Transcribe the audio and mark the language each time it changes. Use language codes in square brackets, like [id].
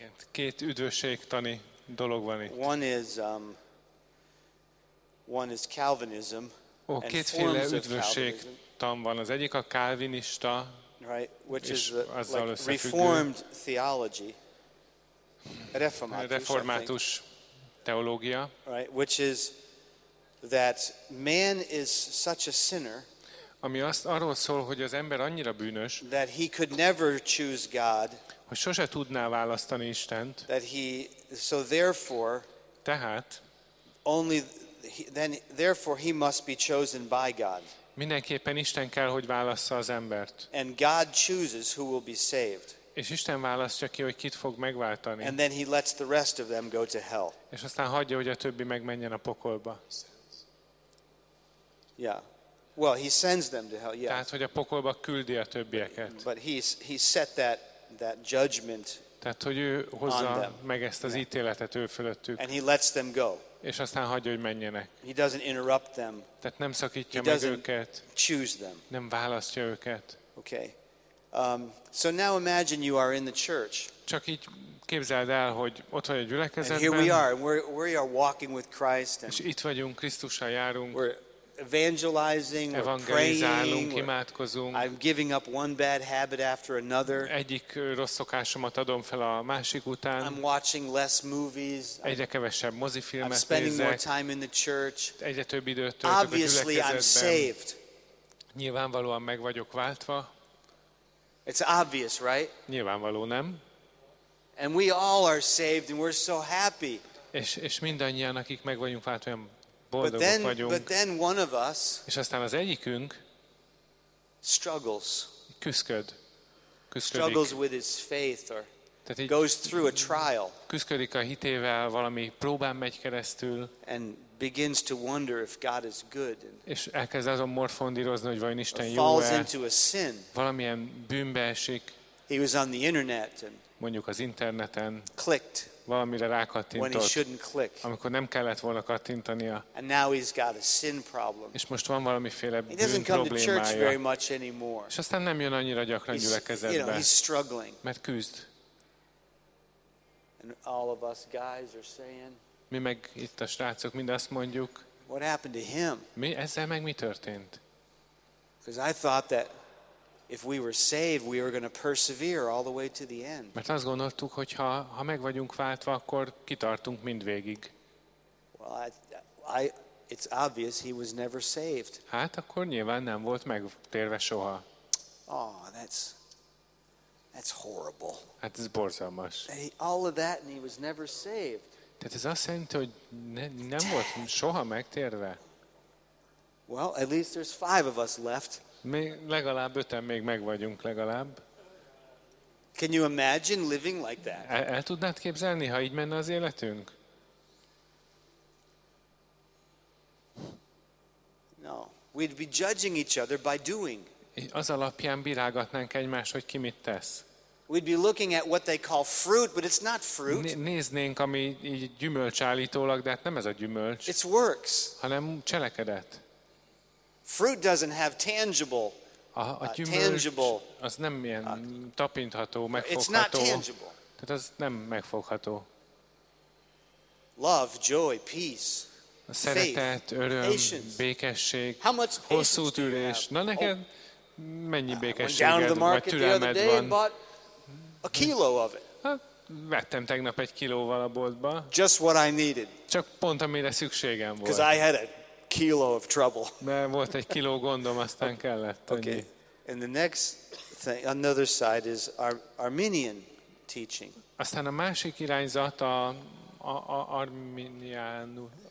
[hu] Két üdvösségtani dolog van itt. [en] One is Calvinism. [hu] Oh, kétféle üdvösségtan van. Az egyik a kalvinista, [en] right, which is the like reformed theology, [hu] református teológia, [en] right, which is that man is such a sinner. [hu] Ami azt arról szól, hogy az ember annyira bűnös, [en] that he could never choose God. [hu] Hogy sose tudná választani Istent. [en] That he, so therefore, [hu] tehát, [en] only then therefore he must be chosen by God. [hu] Mindenképpen Isten kell, hogy válassza az embert. [en] And God chooses who will be saved. [hu] És Isten választja ki, hogy kit fog megváltani. [en] And then he lets the rest of them go to hell. [hu] És aztán hagyja, hogy a többi megmenjen a pokolba. [en] Yeah. Well, he sends them to hell. Yeah. [hu] Tehát, hogy a pokolba küldi a többieket. [en] But he set that judgment. [hu] Tehát, hogy ő hozza meg ezt az ítéletet ő fölöttük. [en] And he lets them go. [hu] És aztán hagyja, hogy menjenek. [en] He doesn't interrupt them. [hu] Tehát nem szakítja meg őket. [en] Choose them. Nem választja őket. Okay. So now imagine you are in the church. [hu] Csak így képzeld el, hogy ott vagy a gyülekezetben. [en] And here we are. We are walking with Christ. [hu] És itt vagyunk, Krisztussal járunk. [en] We're evangelizing, praying, [hu] imádkozunk. [en] I'm giving up one bad habit after another. [hu] Egyik rossz szokásomat adom fel a másik után. [en] I'm watching less movies. [hu] Egyre kevesebb mozifilmet nézek. [en] I'm spending more time in the church. [hu] Egyre több időt töltök a gyülekezetben. [en] Obviously I'm saved. [hu] Nyilvánvalóan meg vagyok váltva. [en] It's obvious, right? [hu] Nyilvánvaló, nem? [en] And we all are saved and we're so happy. [hu] És mindannyian, akik meg vagyunk váltva, [en] But then one of us, [hu] és aztán az egyikünk [en] struggles. [hu] Küszködik. [en] Struggles with his faith or goes through a trial. [hu] Küszködik a hitével, valami próbán megy keresztül. [en] And begins to wonder if God is good. [hu] És elkezd azon morfondírozni, hogy vajon Isten jó-e. [en] Falls into a sin. [hu] Valamilyen bűnbe esik. [en] He was on the internet and [hu] mondjuk az interneten. [en] Clicked. [hu] Valamire rákattintott, amikor nem kellett volna kattintania. [en] And now he's got a sin problem. [hu] És most van valamiféle bűn problémája. [en] He doesn't come to church very much anymore. [hu] És aztán nem jön annyira gyakran gyülekezetbe. [en] You know, he's struggling. [hu] Mert küzd. [en] And all of us guys are saying, [hu] mi meg itt a srácok mind azt mondjuk. [en] What happened to him? [hu] Mi ezzel meg mi történt? [en] Because I thought that if we were saved, we were going to persevere all the way to the end. [hu] Mert azt gondoltuk, hogy ha meg vagyunk váltva, akkor kitartunk mindvégig. [en] Well, it's obvious he was never saved. [hu] Hát akkor nyilván nem volt megtérve soha. [en] Oh, that's horrible. [hu] Hát ez borzalmas. [en] All of that and he was never saved. [hu] Tehát ez azt jelenti, hogy nem volt soha megtérve. [en] Well, at least there's five of us left. [hu] Mi legalább öten még megvagyunk legalább. [en] Can you imagine living like that? [hu] El tudnád képzelni, ha így menne az életünk? [en] No, we'd be judging each other by doing. [hu] Az alapján bírálgatnánk egymást, hogy ki mit tesz. [en] We'd be looking at what they call fruit, but it's not fruit. [hu] Néznénk, ami így gyümölcs állítólag, de hát nem ez a gyümölcs. [en] It's works. [hu] Hanem cselekedet. [en] Fruit doesn't have tangible. [hu] A tangible. Az nem ilyen tapintható, megfogható. [en] It's not tangible. [hu] Tehát az nem megfogható. [en] Love, joy, peace. [hu] A szeretet, öröm, békesség. Hosszú türés. Na neked mennyi békességed vagy türelmed van? [en] A kilo of it. [hu] Vettem tegnap egy kilóval a boltba. [en] Just what I needed. [hu] Csak pont amire szükségem volt. [en] Because I had it. kilo of trouble. [hu] Mert volt egy kilo gondom, aztán kellett annyi. [en] Okay. And the next thing, another side is Arminian teaching. [hu] Aztán a másik irányzat a Arminianus.